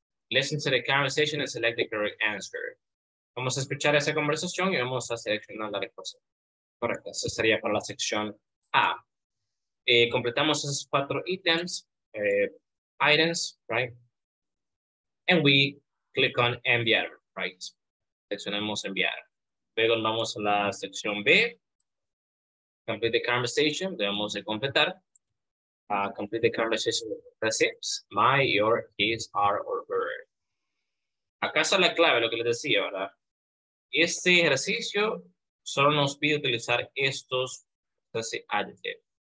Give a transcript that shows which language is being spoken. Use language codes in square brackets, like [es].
[en] Listen to the conversation and select the correct answer. [es] Vamos a escuchar esa conversación y vamos a seleccionar la respuesta. Correcto, eso sería para la sección A. Completamos esos 4 ítems, [en] items, right? And we click on enviar, right? [es] Seleccionamos enviar. Luego vamos a la sección B. [en] Complete the conversation, [es] debemos de completar. [en] Complete the conversation with the tips, my, your, his, our, or her. [es] Acá está la clave, lo que les decía, ¿verdad? Este ejercicio solo nos pide utilizar estos adjetivos.